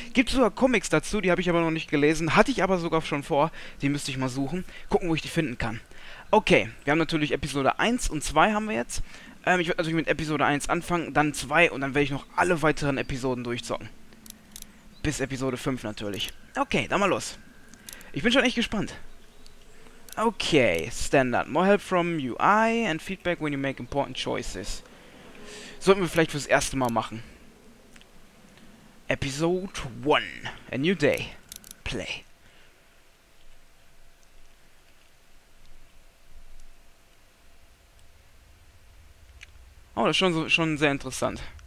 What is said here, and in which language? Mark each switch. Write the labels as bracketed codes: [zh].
[de] Gibt sogar Comics dazu, die habe ich aber noch nicht gelesen, hatte ich aber sogar schon vor, die müsste ich mal suchen. Gucken, wo ich die finden kann. Okay, wir haben natürlich Episode 1 und 2 haben wir jetzt. Ich werde natürlich mit Episode 1 anfangen, dann 2 und dann werde ich noch alle weiteren Episoden durchzocken. Bis Episode 5 natürlich. Okay, dann mal los. Ich bin schon echt gespannt. Okay, Standard. [en] More help from UI and feedback when you make important choices. [de] Sollten wir vielleicht fürs erste Mal machen. Episode 1. A new day. Play. Oh, das ist schon sehr interessant.